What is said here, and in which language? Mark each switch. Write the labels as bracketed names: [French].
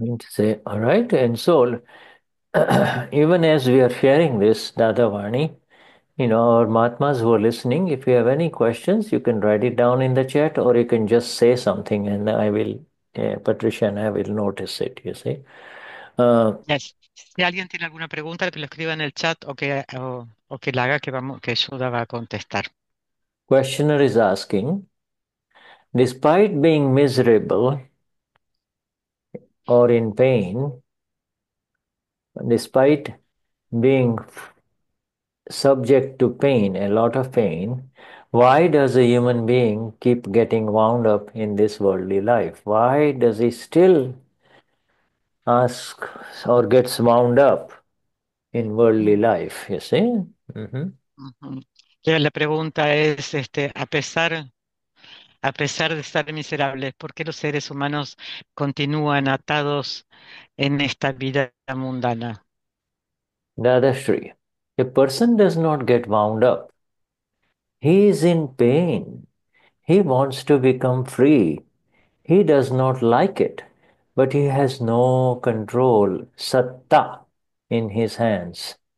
[English] Say, all right, and so even as we are sharing this, Dadavani, our Mahatmas who are listening, if you have any questions, you can write it down in the chat, or you can just say something, and I will, Patricia and I will notice it, you see. Yes. [Spanish] Si alguien tiene alguna pregunta, que lo escriba en el chat o que la haga, que vamos, que ayuda va a contestar. [English] Questioner is asking, despite being miserable or in pain, despite being subject to pain, a lot of pain, why does a human being keep getting wound up in this worldly life? Why does he still ask or gets wound up in worldly life, you see? [Spanish] La pregunta es, a pesar de estar miserables, ¿por qué los seres humanos continúan atados en esta vida mundana? [English] Dadashri, a person does not get wound up. He is in pain. He wants to become free. He does not like it, but he has no control, satta, in his hands.